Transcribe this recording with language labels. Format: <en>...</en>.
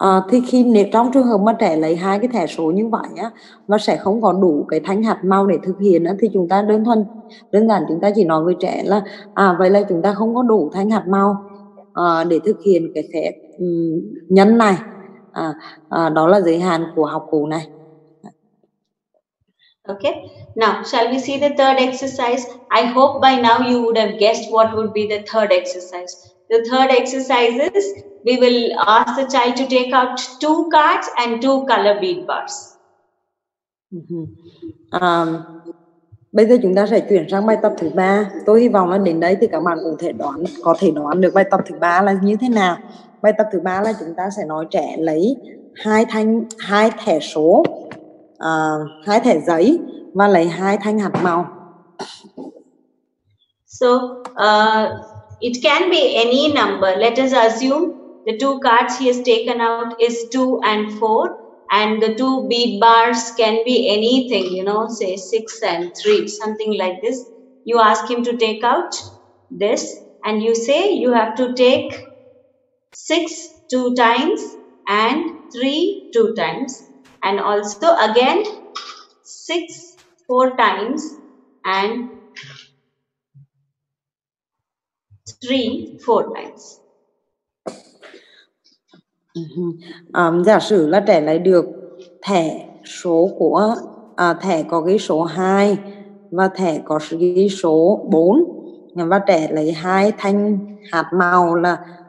<vi>Thì khi nếu trong trường hợp mà trẻ lấy hai cái thẻ số như vậy á, và sẽ không có đủ cái thanh hạt màu để thực hiện á, thì chúng ta đơn giản chúng ta chỉ nói với trẻ là vậy là chúng ta không có đủ thanh hạt màu để thực hiện cái phép nhân này, đó là giới hạn của học cụ này.</vi> <en>Okay, now shall we see the third exercise? I hope by now you would have guessed what would be the third exercise. The third exercise is we will ask the child to take out 2 cards and 2 color bead bars.</en> <vi>Bây giờ chúng ta sẽ chuyển sang bài tập thứ 3. Tôi hy vọng là đến đây thì các bạn cũng có thể đoán được bài tập thứ 3 là như thế nào. Bài tập thứ 3 là chúng ta sẽ nói trẻ lấy hai thẻ giấy và lấy 2 thanh hạt màu.</vi> <en>So, it can be any number. Let us assume the 2 cards he has taken out is 2 and 4, and the 2 bead bars can be anything, you know, say 6 and 3, something like this. You ask him to take out this and you say you have to take 6 2 times and 3 2 times, and also again 6 4 times and 3 4 times.</en> <vi>Giả sử là trẻ lấy được thẻ số của thẻ có ghi số 2 và thẻ có ghi số 4, và trẻ lấy 2 thanh hạt màu là</vi>